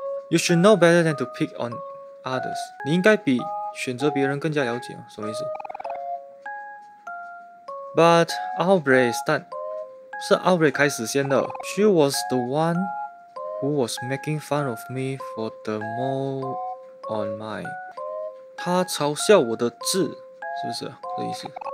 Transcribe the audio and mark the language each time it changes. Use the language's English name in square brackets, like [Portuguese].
[English] You should know better than to pick on others. [Chinese] 你应该比选择别人更加了解啊，什么意思？ [English] But Aubrey start. [Chinese] 是 Aubrey 开始先的。 [English] She was the one who was making fun of me for the mole on my. [Chinese] 她嘲笑我的痣，是不是这意思？